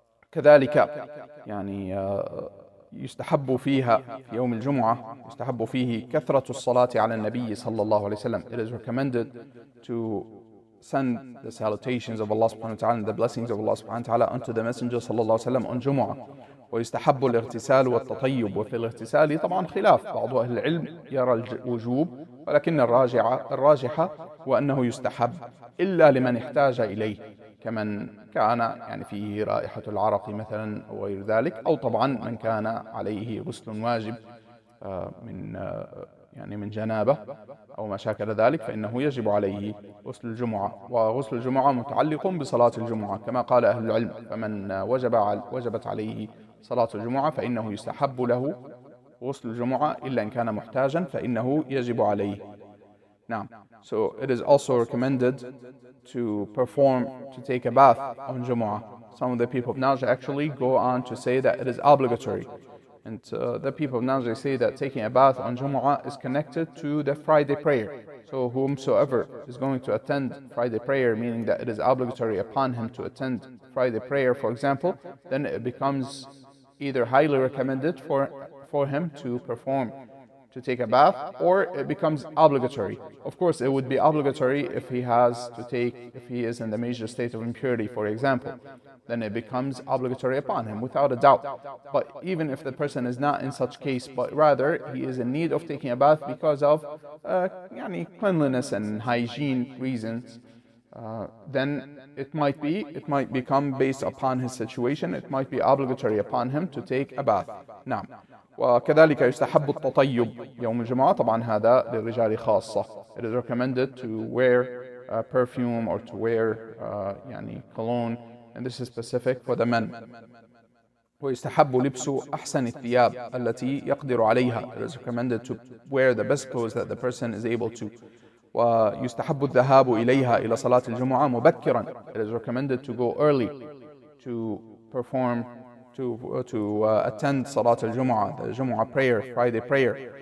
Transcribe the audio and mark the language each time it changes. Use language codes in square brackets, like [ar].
[ar] وكذلك يعني يستحب فيها في يوم الجمعة, يستحب فيه كثرة الصلاة على النبي صلى الله عليه وسلم. [en] It is recommended to send the salutations of Allah subhanahu wa ta'ala and the blessings of Allah subhanahu wa ta'ala unto the messenger صلى الله عليه وسلم on جمعة. [ar] ويستحب الاغتسال والتطيب. وفي الاغتسال طبعا خلاف, بعض أهل العلم يرى الوجوب, ولكن الراجحة هو أنه يستحب إلا لمن احتاج إليه. كمن كان يعني فيه رائحة العرق مثلا وغير ذلك، أو طبعا من كان عليه غسل واجب من يعني من جنابة أو ما شاكل ذلك، فإنه يجب عليه غسل الجمعة، وغسل الجمعة متعلق بصلاة الجمعة كما قال أهل العلم. فمن وجبت عليه صلاة الجمعة فإنه يستحب له غسل الجمعة، إلا إن كان محتاجا فإنه يجب عليه. نعم. [en] So it is also recommended to take a bath on Jumu'ah. Some of the people of Najd actually go on to say that it is obligatory. And the people of Najd say that taking a bath on Jumu'ah is connected to the Friday prayer. So whomsoever is going to attend Friday prayer, meaning that it is obligatory upon him to attend Friday prayer, for example, then it becomes either highly recommended for him to perform, to take a bath, or it becomes obligatory. Of course, it would be obligatory if he has to take, if he is in the major state of impurity, for example, then it becomes obligatory upon him, without a doubt. But even if the person is not in such case, but rather he is in need of taking a bath because of cleanliness and hygiene reasons, then it might become based upon his situation, it might be obligatory upon him to take a bath. Now. [ar] وكذلك يستحب التطيب يوم الجمعة، طبعا هذا للرجال خاصة. [en] It is recommended to wear a perfume or to wear cologne, and this is specific for the men. [ar] ويستحب لبس أحسن الثياب التي يقدر عليها. [en] It is recommended to wear the best clothes that the person is able to. [ar] ويستحب الذهاب إليها إلى صلاة الجمعة مبكرا. [en] It is recommended to go early to perform to attend صلاة الجمعة, the Jumu'ah prayer, Friday prayer.